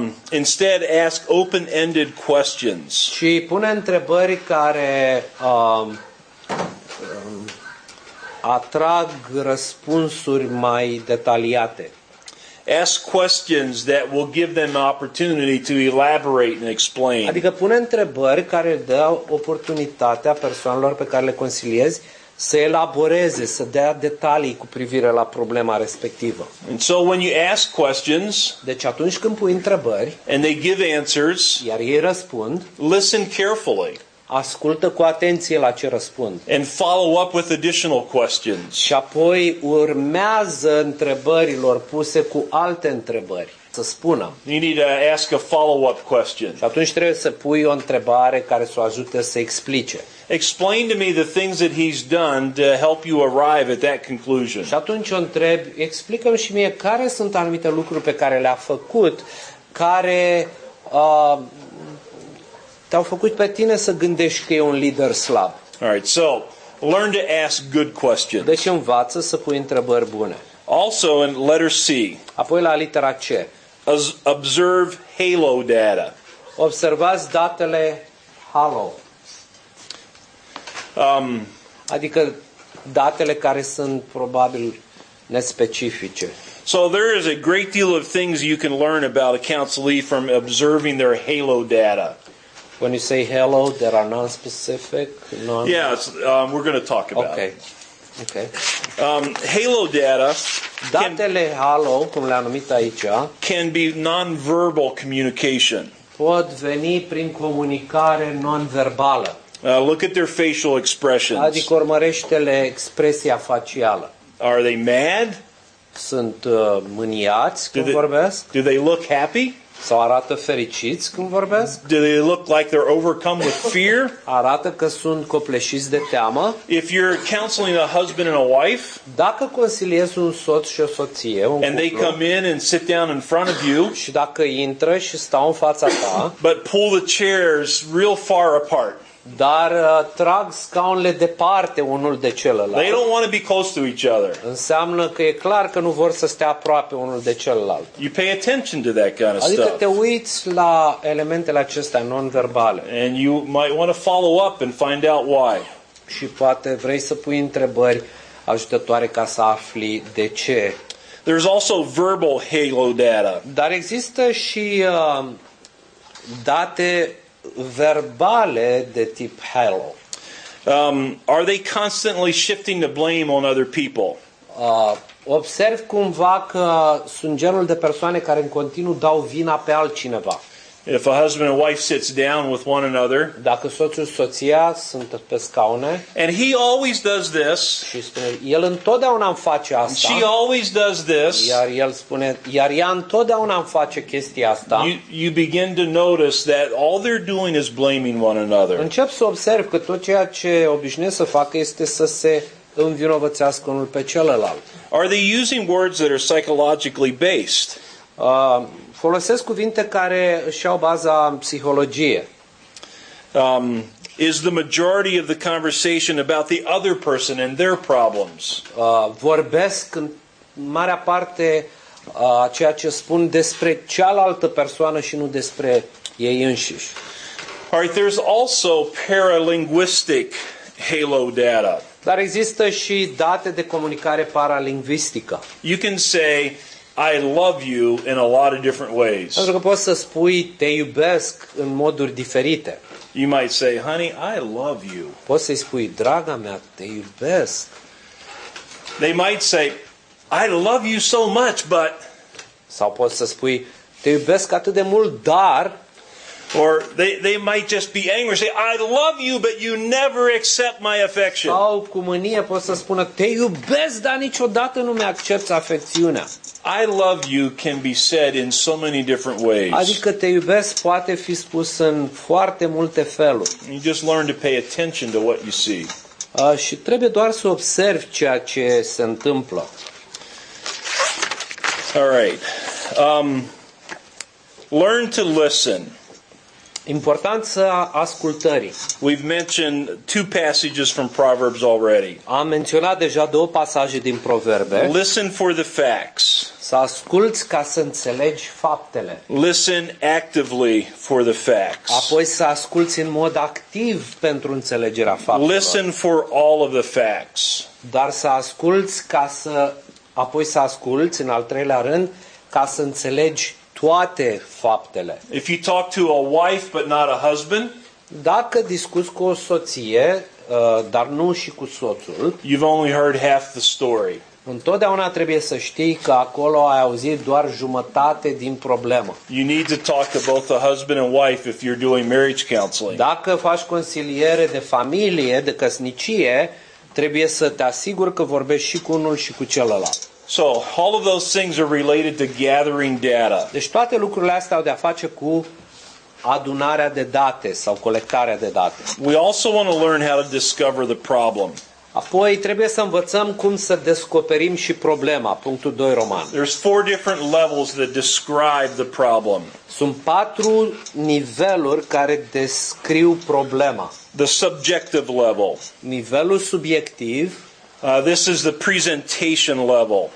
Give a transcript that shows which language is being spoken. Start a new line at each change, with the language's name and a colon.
English: Instead ask open-ended questions.
Romanian: Și pune întrebări care atrag răspunsuri mai detaliate.
English: Ask questions that will give them opportunity to elaborate and explain.
Romanian: Adică pune întrebări care dă oportunitatea persoanelor pe care le consiliezi să elaboreze, să dea detalii cu privire la problema respectivă.
English: And so when you ask questions,
Romanian: deci atunci când pui întrebări,
English: and they give answers,
Romanian: iar ei răspund,
English: listen carefully.
Romanian: Ascultă cu atenție la ce răspund.
English: And follow up with additional questions.
Romanian: Și apoi urmează întrebărilor puse cu alte întrebări. Să spună.
English: You need to ask a follow-up question.
Romanian: Și atunci trebuie să pui o întrebare care să o ajute să explice.
English: Explain to me the things that he's done to help you arrive at that conclusion.
Romanian: Și atunci o întreb, explică-mi și mie care sunt anumite lucruri pe care le-a făcut, care te-au făcut pe tine să gândești că e un lider slab.
English: All right, so learn to ask good questions.
Romanian: Deci învață să pui întrebări bune.
English: Also in letter C.
Romanian: Apoi la litera C.
English: Observe halo data.
Romanian: Observați datele halo. Adică datele care sunt probabil nespecifice.
English: So there is a great deal of things you can learn about a counselee from observing their halo data. When you say halo, that are non-specific, non. Yes, we're going to talk about. Okay. Okay. Halo data.
Romanian: Datele halo, cum le-am numit aici,
English: can be non-verbal communication.
Romanian: Pot veni prin comunicare non-verbală.
English: Look at their facial expressions.
Romanian: Adică urmărește-le expresia facială.
English: Are they mad?
Romanian: Sunt mâniați când vorbesc?
English: Do they look happy?
Romanian: Sau arată fericiți când vorbesc?
English: Do they look like they're overcome with fear?
Romanian: Arată că sunt copleșiți de teamă?
English: If you're counseling a husband and a wife,
Romanian: dacă consiliezi un soț și o soție, un
English: and they come in and sit down in front of you,
Romanian: și dacă intră și stau în fața ta,
English: but pull the chairs real far apart.
Romanian: Dar trag scaunele departe unul de celălalt.
English: They don't want to be close to each other.
Romanian: Înseamnă că e clar că nu vor să stea aproape unul de celălalt.
English: You pay attention to that kind of
Romanian: adică
English: stuff.
Romanian: Adică te uiți la elementele acestea non-verbale.
English: And you might want to follow up and find out why.
Romanian: Și poate vrei să pui întrebări ajutătoare ca să afli de ce.
English: There's also verbal halo data.
Romanian: Dar există și date verbale de tip halo.
English: Are they constantly shifting the blame on other people?
Romanian: Observ cumva că sunt genul de persoane care în continuu dau vina pe altcineva.
English: If a husband and wife sits down with one another,
Romanian: dacă soțul soția sunt pe scaune,
English: and he always does this,
Romanian: și spune, el întotdeauna îmi face asta,
English: she always does this,
Romanian: iar el spune, iar ea întotdeauna îmi face chestia asta,
English: you begin to notice that all they're doing is blaming one another.
Romanian: Încep să observ că tot ceea ce obișnuiesc să facă este să se învinovățească unul pe celălalt.
English: Are they using words that are psychologically based?
Romanian: Folosesc cuvinte care își au baza în psihologie.
English: Is the majority of the conversation about the other person and their problems?
Romanian: Vorbesc în marea parte ceea ce spun despre cealaltă persoană și nu despre ei înșiși.
English: All right, there's also paralinguistic halo data.
Romanian: Dar există și date de comunicare paralingvistică.
English: You can say I love you in a lot of different ways.
Romanian: Pentru că poți să spui te iubesc în moduri diferite.
English: You might say, honey, I love you.
Romanian: Poți să-i spui, draga mea, te iubesc.
English: They might say, I love you so much, but...
Romanian: Sau poți să spui, te iubesc atât de mult, dar...
English: Or they might just be angry, say, I love you, but you never accept my affection.
Romanian: Sau cu mânie poți să spună, te iubesc, dar niciodată nu mi-accepți afecțiunea.
English: I love you can be said in so many different ways.
Romanian: Adică te iubesc poate fi spus în foarte multe feluri.
English: You just learn to pay attention to what you see.
Romanian: Și trebuie doar să observi ceea ce se întâmplă.
English: All right. Learn to listen.
Romanian: Importanța ascultării.
English: We've mentioned two passages from Proverbs already.
Romanian: Am menționat deja două pasaje din Proverbe.
English: Listen for the facts.
Romanian: Să asculți ca să înțelegi faptele.
English: Listen actively for the facts.
Romanian: Apoi să asculți în mod activ pentru înțelegerea faptelor.
English: Listen for all of the facts.
Romanian: Dar să asculți ca să apoi să asculți în al treilea rând ca să înțelegi toate faptele.
English: If you talk to a wife but not a husband,
Romanian: dacă discuți cu o soție, dar nu și cu soțul,
English: you've only heard half the story.
Romanian: Întotdeauna trebuie să știi că acolo ai auzit doar jumătate din problemă.
English: You need to talk to both the husband and wife if you're doing marriage counseling.
Romanian: Dacă faci consiliere de familie, de căsnicie, trebuie să te asiguri că vorbești și cu unul și cu celălalt.
English: So, all of those things are related to gathering data.
Romanian: Deci toate lucrurile astea au de a face cu adunarea de date sau colectarea de date.
English: We also want to learn how to discover the problem.
Romanian: Apoi trebuie să învățăm cum să descoperim și problema, punctul 2 roman.
English: There's four different levels that describe the problem.
Romanian: Sunt patru niveluri care descriu problema.
English: The subjective level.
Romanian: Nivelul subiectiv.
English: This is the presentation level.